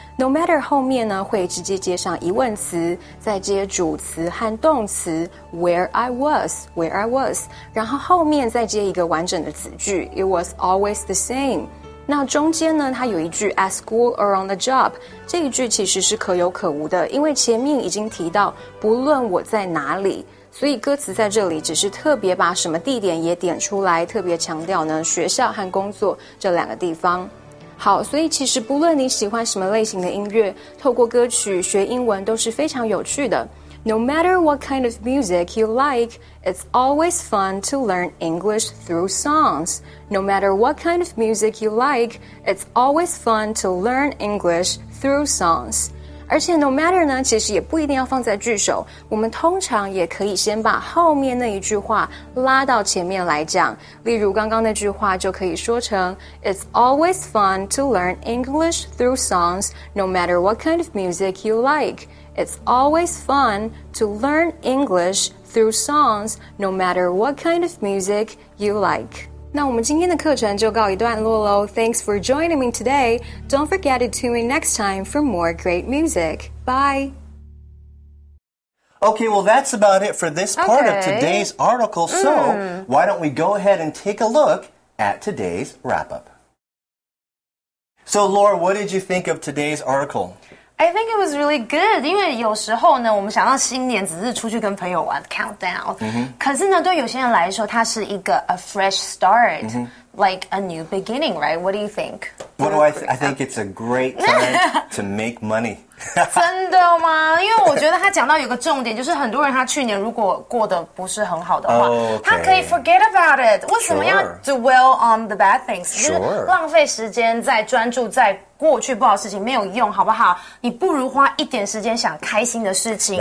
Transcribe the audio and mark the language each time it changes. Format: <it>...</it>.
<zh>No matter 后面呢会直接接上疑问词再接主词和动词</zh> <en>where I was</en> <zh>然后后面再接一个完整的子句</zh> <en>it was always the same</en> <zh>那中间呢它有一句</zh> <en>at school or on the job</en> <zh>这一句其实是可有可无的因为前面已经提到不论我在哪里所以歌词在这里只是特别把什么地点也点出来，特别强调呢学校和工作这两个地方。好，所以其实不论你喜欢什么类型的音乐，透过歌曲学英文都是非常有趣的。</zh> <en>No matter what kind of music you like, it's always fun to learn English through songs. No matter what kind of music you like, it's always fun to learn English through songs.</en> <zh>而且 no matter 呢，其实也不一定要放在句首，我们通常也可以先把后面那一句话拉到前面来讲。例如刚刚那句话就可以说成</zh> <en>It's always fun to learn English through songs, no matter what kind of music you like. It's always fun to learn English through songs, no matter what kind of music you like.</en> <zh>那我们今天的课程就告一段落咯。</zh> <en>Thanks for joining me today. Don't forget to tune in next time for more great music. Bye. Okay, well, that's about it for this part of today's article. So, why don't we go ahead and take a look at today's wrap-up. So, Laura, what did you think of today's article? I think it was really good,</en> <zh>因为有时候呢我们想到新年只是出去跟朋友玩 countdown、mm-hmm. 可是呢对有些人来说它是一个</zh> <en>a fresh start、</en> <zh>mm-hmm.</zh> <en>like a new beginning, right? What do you think? I think it's a great time to make money.</en> <zh>真的吗？因为我觉得他讲到有个重点，就是很多人他去年如果过得不是很好的话、</zh> <en>okay.</en> <zh>他可以</zh> <en>forget about it.</en> <zh>为什么要</zh> <en>dwell on the bad things?</en> <zh>就是浪费时间在专注在过去不好的事情没有用，好不好？你不如花一点时间想开心的事情</zh>